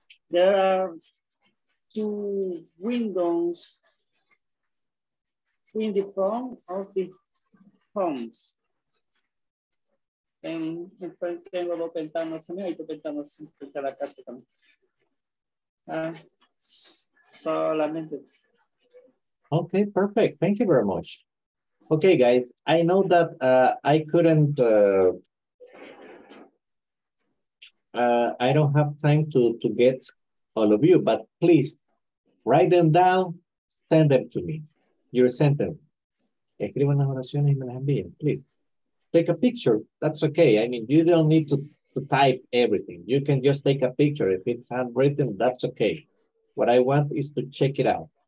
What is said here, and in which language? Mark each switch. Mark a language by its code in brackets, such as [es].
[en] There are two windows in the front of the homes. [es] Tengo dos ventanas también, hay dos ventanas frente a la casa también. Solamente. [en] Okay, perfect. Thank you very much. Okay, guys, I know that I couldn't. I don't have time to get all of you, but please write them down, send them to me. Your sentence. [es] Escriban las oraciones y me las envíen, [en] please. Take a picture. That's okay. I mean, you don't need to type everything. You can just take a picture. If it's handwritten, that's okay. What I want is to check it out.